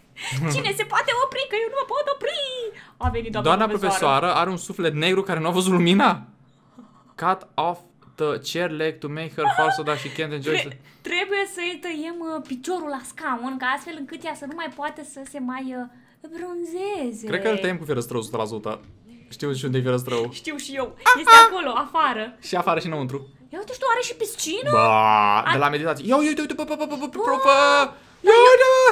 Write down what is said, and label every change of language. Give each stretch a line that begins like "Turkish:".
Romanian: Cine se poate opri, că eu nu mă pot opri! A venit doamna profesoară are un suflet negru care nu a văzut lumina.
English: Cut off the chair leg to make her fall so that she can't enjoy it.
Romanian: Trebuie să-i tăiem piciorul la scaun, ca astfel încât ea să nu mai poate să se mai bronzeze. Cred că îl tăiem cu fierăstrău 100%. Știu și unde e ferăstrăul. Știu și eu. Este acolo, afară. Și afară și înăuntru. Ia uite, tu are și piscină? Ba, de la meditație. Ia uite, uite, pa. Ia uite.